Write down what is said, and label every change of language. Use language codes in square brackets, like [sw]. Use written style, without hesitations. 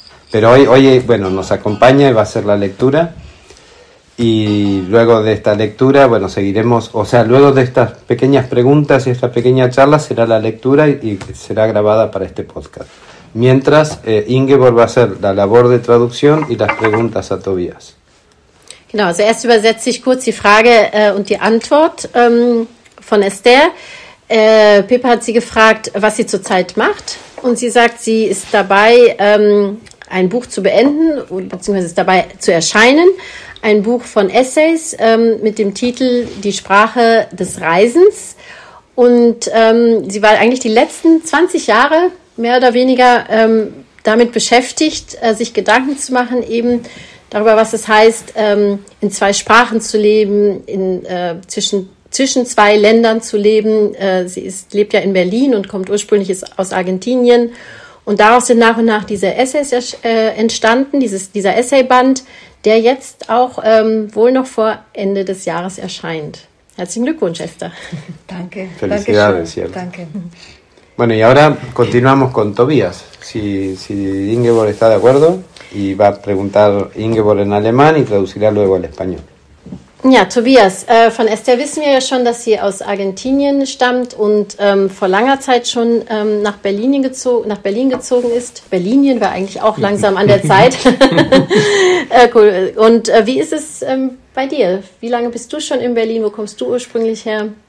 [es] Pero hoy, bueno, nos acompaña y va a hacer la lectura. Y luego de esta lectura, bueno, seguiremos. O sea, luego de estas pequeñas preguntas y esta pequeña charla será la lectura y será grabada para este podcast. Mientras, Ingeborg va a hacer la labor de traducción y las preguntas a Tobias. [de] Genau, also erst übersetze ich kurz die Frage und die Antwort von Esther. Pippa hat sie gefragt, was sie zurzeit macht. Und sie sagt, sie ist dabei, ein Buch zu beenden, beziehungsweise ist dabei zu erscheinen. Ein Buch von Essays mit dem Titel Die Sprache des Reisens. Und sie war eigentlich die letzten 20 Jahre mehr oder weniger damit beschäftigt, sich Gedanken zu machen, eben darüber, was es heißt, in zwei Sprachen zu leben, zwischen zwei Ländern zu leben. Sie lebt ja in Berlin und kommt ursprünglich aus Argentinien. Und daraus sind nach und nach diese Essays entstanden, dieser Essayband, der jetzt auch wohl noch vor Ende des Jahres erscheint. Herzlichen Glückwunsch, Esther. Danke. [es] Felicidades. [de] Danke. [es] Bueno, y ahora continuamos con Tobias, si Ingeborg está de acuerdo. Y va a preguntar Ingeborg en alemán y traducirá luego al español. [de] Ja, Tobias, von Esther wissen wir ja schon, dass sie aus Argentinien stammt und vor langer Zeit schon nach Berlin gezogen ist. Berlinien war eigentlich auch langsam an der Zeit. cool. Und wie ist es bei dir? Wie lange bist du schon in Berlin? Wo kommst du ursprünglich her?